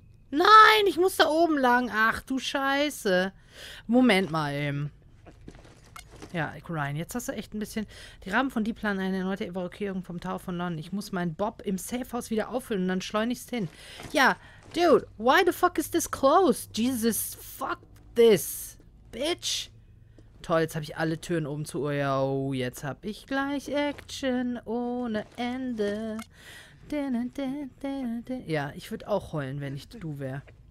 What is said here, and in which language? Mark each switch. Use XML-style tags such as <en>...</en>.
<de>Nein, ich muss da oben lang. Ach du Scheiße. Moment mal eben. Ja, Ryan, jetzt hast du echt ein bisschen... Die Rahmen von Die planen eine erneute Evakuierung vom Tower von London. Ich muss meinen Bob im Safehouse wieder auffüllen und dann schleunigst hin.</de> <en>Ja, dude, why the fuck is this closed? Jesus, fuck this, bitch.</en> <de>Toll, jetzt habe ich alle Türen oben zu. Oh, ja, oh, jetzt habe ich gleich Action ohne Ende. Ja, ich würde auch heulen, wenn ich du wäre.</de>